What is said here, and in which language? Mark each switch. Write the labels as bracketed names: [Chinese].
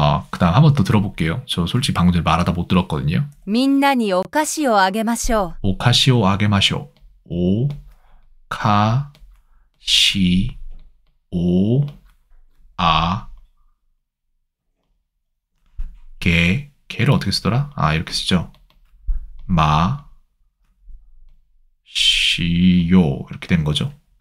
[Korean] 그 다음 한번더 들어볼게요. 저 솔직히 방금 전에 말하다 못 들었거든요. [Japanese] みんなにお菓子をあげましょう. 오카시오 아게마쇼. [Korean] 오, 카, 시, 오, 아, 개를 어떻게 쓰더라? 아, 이렇게 쓰죠. 마, 시요. 이렇게 되는 거죠.